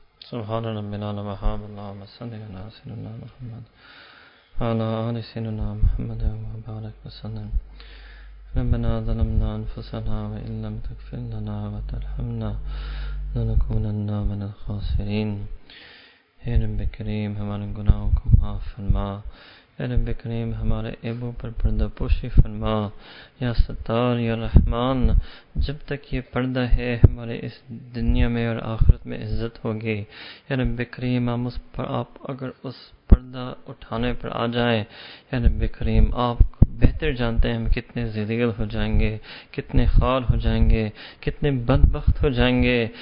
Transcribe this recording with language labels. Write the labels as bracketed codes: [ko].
[ar] سبحان ربنا وبحمد اللہ صلی اللہ علیہ وسلم محمد وعلى آل سيدنا محمد وبارک وسلم. ربنا ظلمنا أنفسنا وإن لم تغفر لنا وترحمنا لنكونن من الخاسرين. يا رب كريم [ur] ہمارے گناہوں کو معاف فرما. يا رب كريم ہمارے عیبوں پر پردہ پوشی فرما. [ar] يا ستار يا رحمان, [ur] جب تک یہ پردہ ہے ہمارے اس دنیا میں اور آخرت میں عزت ہوگی. [ar] يا رب كريم [ur] آپ اگر اس پردہ اٹھانے پر آ جائیں, يا رب كريم آپ بہتر جانتے ہیں ہم کتنے ذلیل ہو جائیں گے, کتنے خوار ہو جائیں گے, کتنے بدبخت ہو جائیں گے.